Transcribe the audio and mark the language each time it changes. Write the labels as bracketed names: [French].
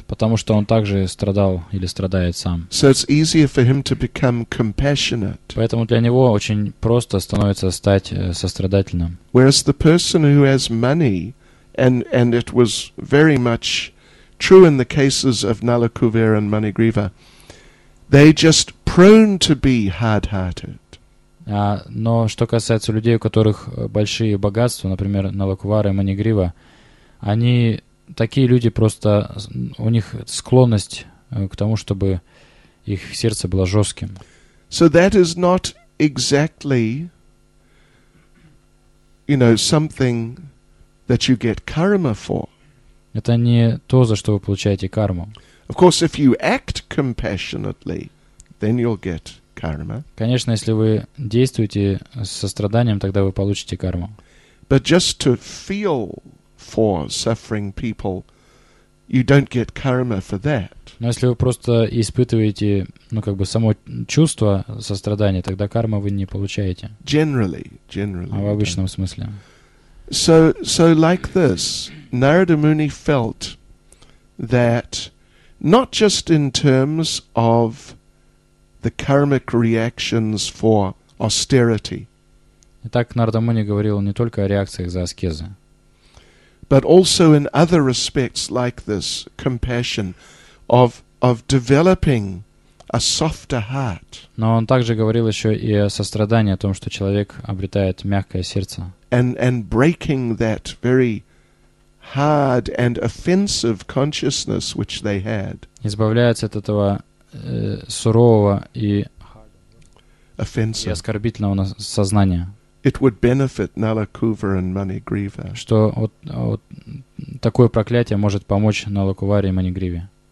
[Russian] Потому что он также страдал или страдает сам. [English] So it's easier for him to become compassionate. [Russian] Поэтому для него очень просто становится стать сострадательным. [English] Whereas the person who has money, and it was very much true in the cases of Nalakuvera and Manigriva, they just prone to be hard-hearted. [Russian] Но что касается людей, у которых большие богатства, например, Налаквара и Манигрива, они такие люди, просто у них склонность к тому, чтобы их сердце было жестким. [English] So that is not exactly, you know, something that you get karma for. [Russian] Это не то, за что вы получаете карму. [English] Of course, if you act compassionately, then you'll get karma. [Russian] Конечно, если вы действуете с состраданием, тогда вы получите карму. [English] But just to feel for suffering people, you don't get karma for that. [Russian] Но если вы просто испытываете, ну как бы само чувство сострадания, тогда карма вы не получаете. [English] Generally. [Russian] А в обычном смысле. [English] So like this, Narada Muni felt that not just in terms of the karmic reactions for austerity. [Russian] Итак, Нарада Муни говорил не только о реакциях за аскезы, [English] but also in other respects like this compassion of developing a softer heart. [Russian] Но он также говорил еще и о сострадании, о том, что человек обретает мягкое сердце. [English] And breaking that very hard and offensive consciousness which they had. [Russian] Избавляется от этого сурового и [English] offensive. [Russian] И оскорбительного сознания. [English] It would benefit Nalakuvara and Manigriva. [Russian] Что вот такое проклятие может помочь Налакувари и Манигриве.